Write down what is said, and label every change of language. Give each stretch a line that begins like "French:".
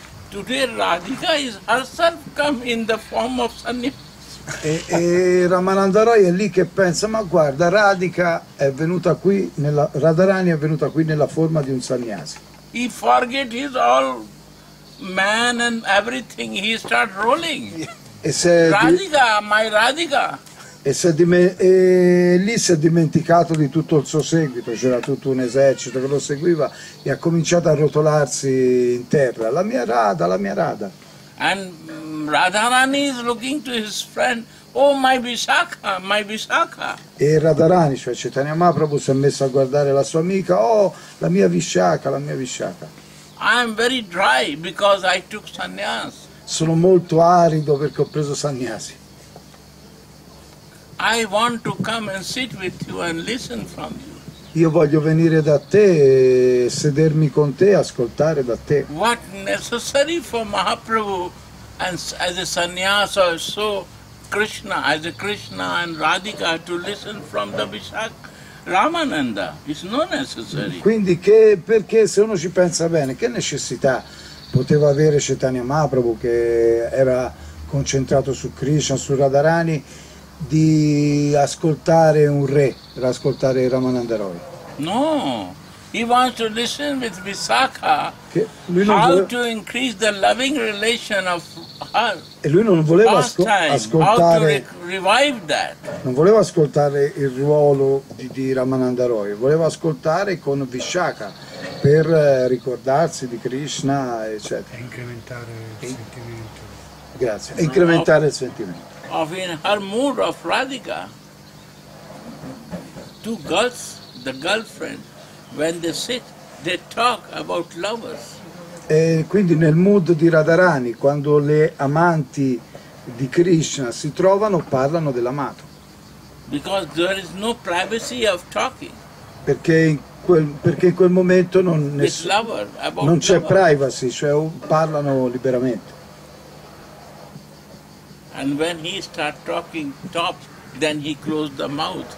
English: Today Radhika is herself come in the form of sannyasi.
Italian: E Ramananda Rai è lì che pensa, ma guarda, Radhika è venuta qui nella, Radharani è venuta qui nella forma di un sannyasi.
English: He forget his all man and everything. He start rolling. Radhika, my Radhika.
Italian: E, si è e lì si è dimenticato di tutto il suo seguito, c'era tutto un esercito che lo seguiva e ha cominciato a rotolarsi in terra. La mia Radha, la mia Radha.
English: And Radharani is looking to his friend, oh my Vishakha, my Vishakha.
Italian: E Radharani, cioè Chaitanya Mahaprabhu, si è messo a guardare la sua amica, oh la mia Vishakha, la mia Vishakha.
English: I am very dry because I took sannyas.
Italian: Sono molto arido perché ho preso sannyasi.
English: I want to come and sit with you and listen from you.
Italian: Io voglio venire da te, sedermi con te, ascoltare da te.
English: What necessary for Mahaprabhu and as a sannyasa or so Krishna, as a Krishna and Radhika to listen from the Vishakha Ramananda? It's not necessary.
Italian: Quindi che, perché se uno ci pensa bene, che necessità poteva avere Chaitanya Mahaprabhu, che era concentrato su Krishna, su Radharani, di ascoltare un re, per ascoltare Ramananda Roy?
English: No, he wants to listen with Vishakha how voleva... to increase the loving relation of her.
Italian: E lui non voleva ascoltare,
English: how to revive that.
Italian: Non voleva ascoltare il ruolo di Ramananda Roy, voleva ascoltare con Vishakha per ricordarsi di Krishna, eccetera. E incrementare il sentimento. Grazie, e incrementare il sentimento.
English: Of in her mood of Radhika, two girls, the girlfriend, when they sit, they talk about lovers.
Italian: E quindi nel mood di Radharani, quando le amanti di Krishna si trovano, parlano dell'amato.
English: Because there is no privacy of talking.
Italian: Perché in quel momento non c'è privacy, cioè parlano liberamente.
English: And when he start talking top, then he close the mouth.